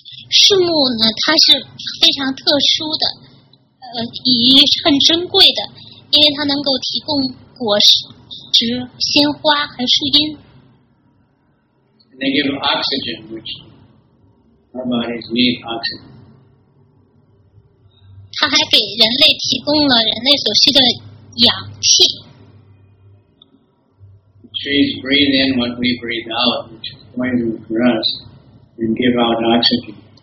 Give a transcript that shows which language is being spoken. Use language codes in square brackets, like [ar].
[zh] 树木呢，它是非常特殊的。以很珍贵的，因为它能够提供果实、鲜花和树荫。 [en] And they give oxygen, which our bodies need oxygen. [zh] 它还给人类提供了人类所需的氧气。 [en] The trees breathe in what we breathe out, which is poison for us, and give out oxygen.